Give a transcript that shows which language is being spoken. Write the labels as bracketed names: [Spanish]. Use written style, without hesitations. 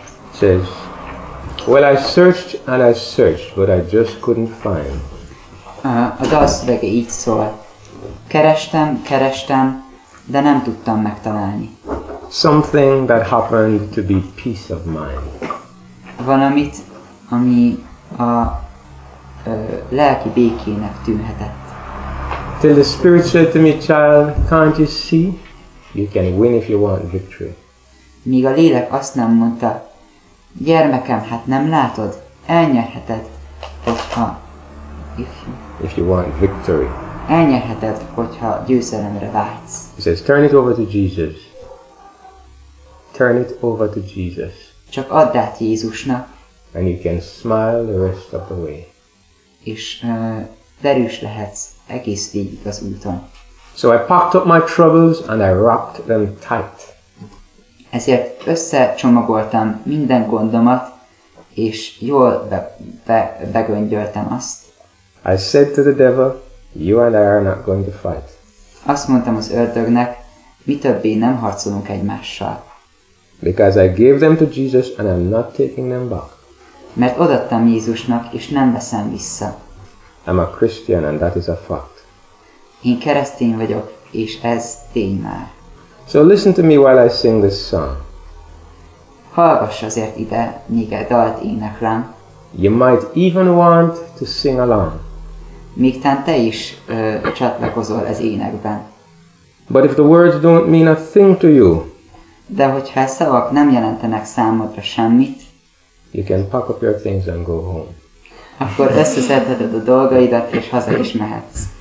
[English] It says, well, I searched, but I just couldn't find. [Hungarian] A dalszövege így szól. Kerestem, de nem tudtam megtalálni. [English] Something that happened to be peace of mind. [Hungarian] Valamit, ami a lelki békének tűnhetett. [English] Till the Spirit said to me, child, can't you see? You can win if you want victory. [Hungarian] Míg a lélek azt nem mondta, gyermekem, hát nem látod? Elnyerheted, hogyha... [English] If you want victory. [Hungarian] Elnyerheted, hogyha győzelemre vágysz. [English] He says, turn it over to Jesus. Turn it over to Jesus. [Hungarian] Csak add át Jézusnak. [English] And you can smile the rest of the way. [Hungarian] És derűs lehetsz egész végig az úton. [English] So I packed up my troubles and I wrapped them tight. [Hungarian] Ezért összecsomagoltam minden gondomat, és jól begöngyöltem azt. [English] I said to the devil, you and I are not going to fight. [Hungarian] Azt mondtam az ördögnek, mi többé nem harcolunk egymással. [English] Because I gave them to Jesus and I'm not taking them back. [Hungarian] Mert odaadtam Jézusnak, és nem veszem vissza. [English] I'm a Christian and that is a fact. [Hungarian] Én keresztény vagyok, és ez tény már. [English] So listen to me while I sing this song. [Hungarian] Hallgass azért ide, míg egy dalt éneklem. [English] You might even want to sing along. [Hungarian] Míg tán te is csatlakozol az énekben. [English] But if the words don't mean a thing to you, [Hungarian] de hogyha a szavak nem jelentenek számodra semmit, [English] you can pack up your things and go home. [Hungarian] Akkor összeszedheted a dolgaidat, és haza is mehetsz.